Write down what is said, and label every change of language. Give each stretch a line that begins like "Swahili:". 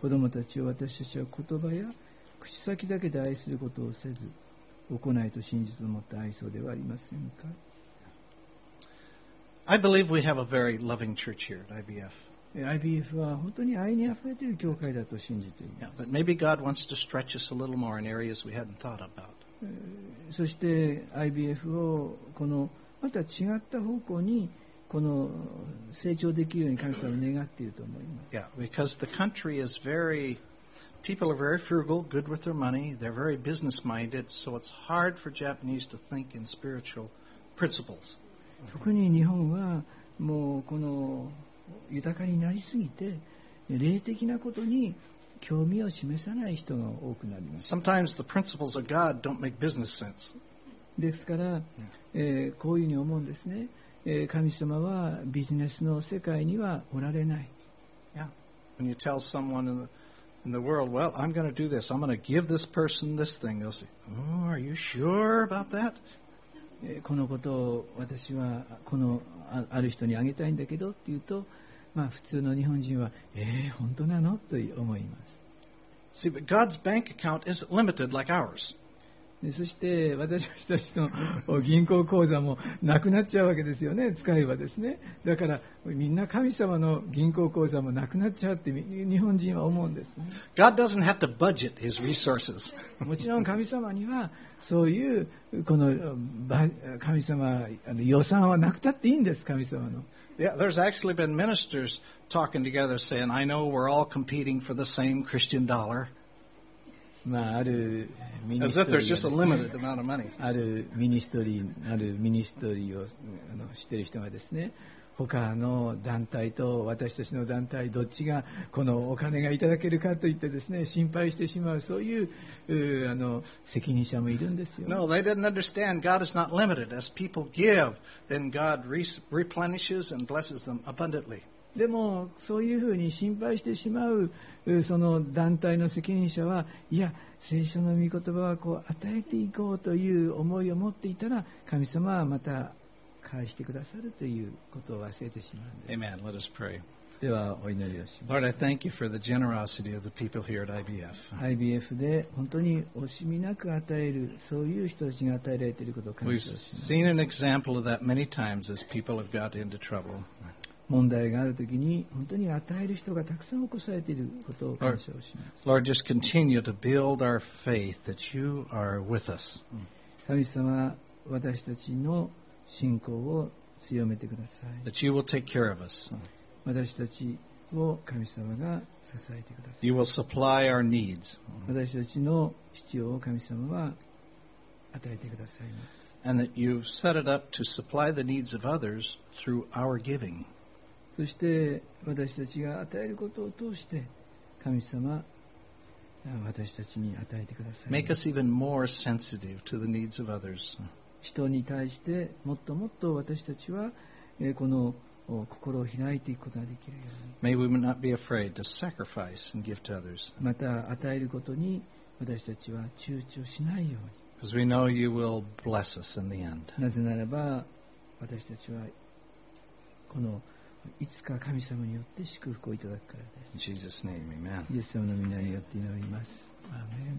Japanese: 子供たちを私たちは言葉や口先だけで愛することをせず、行いと真実を持った愛そうではありませんか。
English: I believe we have a very loving church here at IBF.
Japanese: IBF は本当に愛にあふれている教会だと信じています。
English: Yeah, but maybe God wants to stretch us a little more in areas we hadn't thought about.
Japanese: そして IBF をこのまた違った方向にこの成長できるように神様を願っていると思います。
English: Yeah, because the country is very, people are very frugal, good with their money, they're very business-minded, so it's hard for Japanese to think in spiritual principles.
Japanese: 特に日本はもうこの豊かになりすぎて霊的なことに興味を示さない人が多くなります。
English: Sometimes the principles of God don't make business sense.
Japanese: ですから、こういうふうに思うんですね、神様はビジネスの世界にはおられない。 Yeah.
English: When you tell someone in the world, well, I'm going to do this, I'm going to give this person this thing, they'll say, oh, are you sure about that?
Japanese: このことを私はこのある人にあげたいんだけどっていうと、まあ、普通の日本人は、本当なの? と思います。
English: See, but God's bank account isn't limited like ours.
Japanese: そして私たちの銀行口座もなくなっちゃうわけですよね、使えばですね。だからみんな神様の銀行口座もなくなっちゃうって日本人は思うんです、ね。
English: God doesn't have to budget his resources.
Japanese: もちろん神様にはそういうこの神様予算はなくたっていいんです、神様の。
English: Yeah, there's actually been ministers talking together saying, I know we're all competing for the same Christian dollar.
Japanese: まあ、ある
English: As if there's just a limited amount of money.
Japanese: あるミニストリー、あるミニストリーをあの知ってる人がですね、他の団体と私たちの団体どっちがこのお金がいただけるかといってですね、心配してしまう、そういう、あの責任者もいるんですよ。
English: No, they didn't understand God is not limited. As people give, then God replenishes and blesses them abundantly.
Japanese: でもそういうふうに心配してしまうその団体の責任者は、いや聖書の御言葉はこう与えていこうという思いを持っていたら、神様はまた返してくださるということを忘れてしまうんです。
English: Amen. Let us pray.
Japanese: ではお祈りをします。
English: Lord, I thank you for the generosity of the people here at IBF.
Japanese: IBF で本当に惜しみなく与える、そういう人たちが与えられていることを感謝します。
English: We've seen an example of that many times as people have got into trouble.
Japanese: 問題があるときに本当に与える人がたくさん起こされていることを感謝します。
English: Lord, just continue to build our faith that you are with us.
Japanese: 神様、私たちの信仰を強めてください。
English: That you will take care of us.
Japanese: 私たちを神様が支えてください。
English: You will supply our needs.
Japanese: 私たちの必要を神様は与えてくださいます。
English: And that you set it up to supply the needs of others through our giving.
Japanese: そして私たちが与えることを通して神様は私たちに与えてください。
English: Make us even more sensitive to the needs of others.
Japanese: 人に対してもっともっと私たちはこの心を開いていくことができるように。また与えることに私たちは躊躇しないように。
English: Because we know you will bless us in the end.
Japanese: なぜならば私たちはこのいつか神様によって祝福をいただくからです。
English: In Jesus' name, amen.
Japanese: イエス様の御名によって祈ります。アーメン。